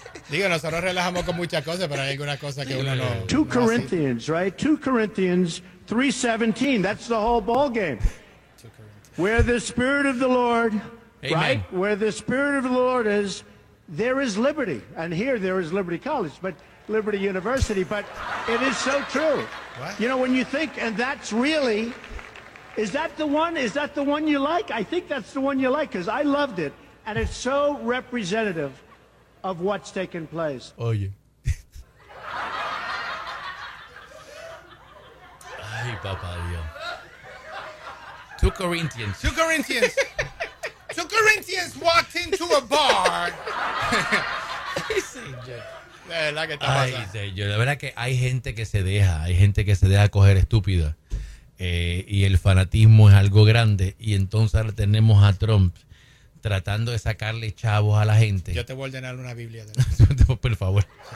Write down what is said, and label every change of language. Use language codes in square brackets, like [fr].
[es] Digo, nosotros relajamos con muchas cosas, pero hay algunas cosas que uno no... [en] 2 Corinthians, right? 2 Corinthians 3:17. That's the whole ball game. Where the Spirit of the Lord... Amen. Right? Where the Spirit of the Lord is, there is liberty. And here there is Liberty College, but Liberty University. But it is so true. What? You know, when you think, and that's really... Is that the one? Is that the one you like? I think that's the one you like, because I loved it. And it's so representative of what's taking place. [es] Oye. Ay, papá Dios. 2 Corinthians. [en] 2 Corinthians. 2 Corinthians walked into a bar. [es] Sí, señor. De verdad que está pasando. Ay, señor, la verdad que hay gente que se deja. Hay gente que se deja coger estúpida. Y el fanatismo es algo grande. Y entonces ahora tenemos a Trump tratando de sacarle chavos a la gente. Yo te voy a ordenar una Biblia. De por favor.